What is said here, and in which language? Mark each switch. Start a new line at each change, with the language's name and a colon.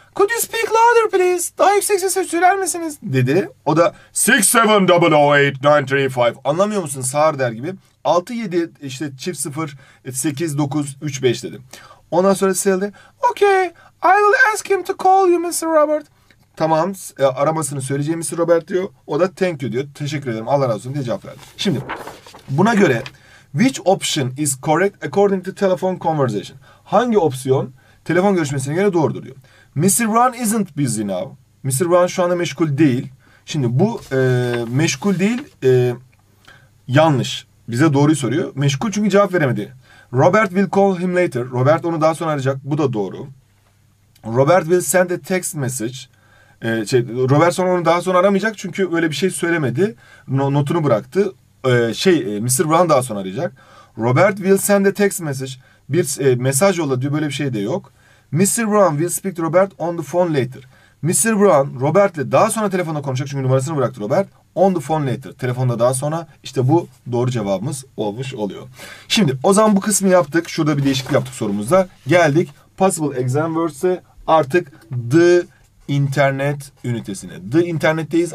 English: Could you speak louder please?
Turkish: Daha yüksek sesle söyler misiniz? Dedi. O da 6-7-0-8-9-3-5. Anlamıyor musun? Sağır der gibi. 6-7 işte çift 0 8-9-3-5 dedi. Ondan sonra sildi.
English: Okay, I will ask him to call you Mr. Robert.
Turkish: Tamam, aramasını söyleyeceğim Mr. Robert diyor. O da
English: thank you
Turkish: diyor. Teşekkür ederim, Allah razı olsun diye cevap verdi. Şimdi buna göre
English: which option is correct according to telephone conversation?
Turkish: Hangi opsiyon telefon görüşmesine göre doğrudur diyor. Mr.
English: Ron isn't busy now.
Turkish: Mr. Ron şu anda meşgul değil. Şimdi bu meşgul değil, yanlış. Bize doğruyu soruyor. Meşgul çünkü cevap veremedi.
English: Robert will call him later.
Turkish: Robert onu daha sonra arayacak. Bu da doğru.
English: Robert will send a text message.
Turkish: Robert sonra onu daha sonra aramayacak çünkü böyle bir şey söylemedi. Notunu bıraktı. Mr. Brown daha sonra arayacak.
English: Robert will send a text message.
Turkish: Bir mesaj yolla diyor, böyle bir şey de yok.
English: Mr. Brown will speak to Robert on the phone later. Mr.
Turkish: Brown Robert'le daha sonra telefonda konuşacak çünkü numarasını bıraktı Robert.
English: On the phone later.
Turkish: Telefonda daha sonra. İşte bu doğru cevabımız olmuş oluyor. Şimdi o zaman bu kısmı yaptık. Şurada bir değişiklik yaptık sorumuzda. Geldik possible exam words'e, artık the internet ünitesine. The internetteyiz.